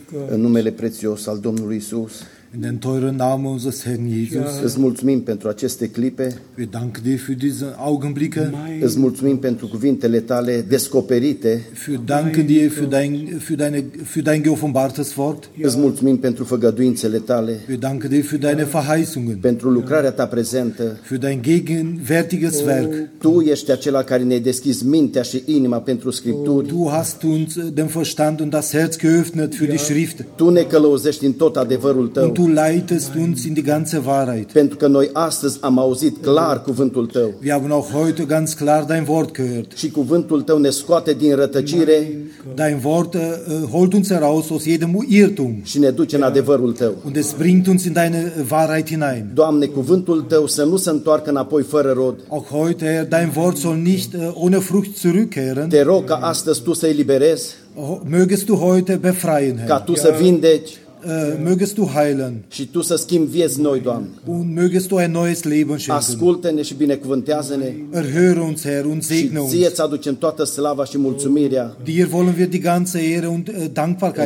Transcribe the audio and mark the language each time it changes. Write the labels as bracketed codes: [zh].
[ro] În numele prețios al Domnului Isus. [de] In den teuren Namen unseres Herrn Jesus. [ro] Îți mulțumim pentru aceste clipe. [de] Wir danken dir für diese Augenblicke. [ro] Îți mulțumim pentru cuvintele tale descoperite. [de] Wir danken dir für dein geoffenbartes Wort. [ro] Îți mulțumim pentru făgăduințele tale. [de] Wir danken dir für deine Verheißungen. [ro] Pentru lucrarea ta prezentă. [de] Für dein gegenwärtiges Werk. [ro] Tu ești acela care ne-ai deschis mintea și inima pentru Scripturi. [de] Du hast uns den Verstand und das Herz geöffnet für die Schrift. [ro] Tu ne călăuzești în tot adevărul tău. [de] Du leitest uns in die ganze Wahrheit. [ro] Pentru că noi astăzi am auzit clar cuvântul tău. [de] Wir haben auch heute ganz klar dein Wort gehört. [ro] Și cuvântul tău ne scoate din rătăcire. [de] Dein Wort holt uns heraus aus jedem Irrtum. [ro] Și ne duce în adevărul tău. [de] Und es bringt uns in deine Wahrheit hinein. [ro] Doamne, cuvântul tău să nu se întoarcă înapoi fără rod. [de] Auch heute dein Wort soll nicht ohne Frucht zurückkehren. [ro] Te rog ca astăzi tu să-i liberezi. [de] Mögest du heute befreien, Herr. [ro] Ca tu să vindeci. [de] Mögest du heilen. [ro] Și tu să schimbi vieți noi, Doamne. [de] Und mögest du ein neues Leben schenken. [ro] Ascultă-ne și binecuvântează-ne. [de] Erhöre uns, Herr, und segne uns. [ro] Și ție-ți aducem toată slava și mulțumirea. [de] Dir wollen wir die ganze Ehre und Dankbarkeit